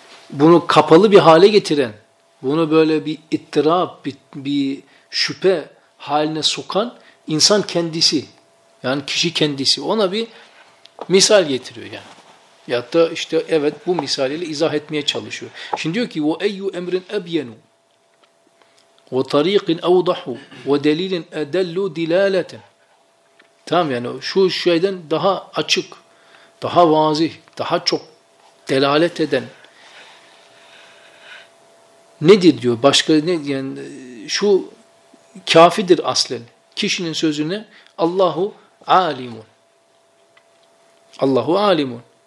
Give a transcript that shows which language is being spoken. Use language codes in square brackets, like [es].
[tr] Bunu kapalı bir hale getiren, bunu böyle bir ittirap, bir şüphe haline sokan insan kendisi. Yani kişi kendisi. Ona bir misal getiriyor yani. Ya da işte evet, bu misaliyle izah etmeye çalışıyor. Şimdi diyor ki, [ar] وَاَيُّ اَمْرٍ اَبْيَنُ وَطَر۪يقٍ اَوْضَحُ وَدَل۪يلٍ اَدَلُّ دِلَالَةً. [tr] Tamam, yani şu şeyden daha açık, daha vazih, daha çok delalet eden nedir diyor. Başka ne, yani şu kafidir aslen. Kişinin sözüne Allahu alimun. Allahu alimun.